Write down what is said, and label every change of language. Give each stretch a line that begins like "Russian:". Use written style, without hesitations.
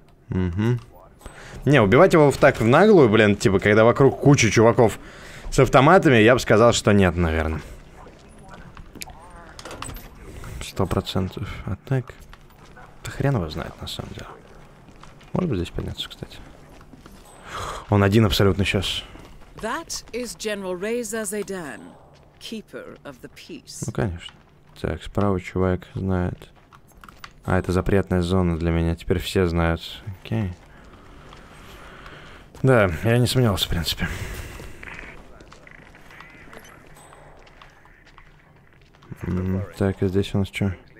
Russian: Угу. Не, убивать его так в наглую, блин, типа, когда вокруг куча чуваков с автоматами, я бы сказал, что нет, наверное. 100%. А так... Да хрен его знает, на самом деле. Может быть, здесь подняться, кстати. Он один абсолютно сейчас.
English: That is General Reza Zaidan, keeper of the peace.
Russian: Ну, конечно. Так, справа чувак знает. А, это запретная зона для меня. Теперь все знают. Окей. Да, я не сомневался, в принципе. Так, а здесь у нас что?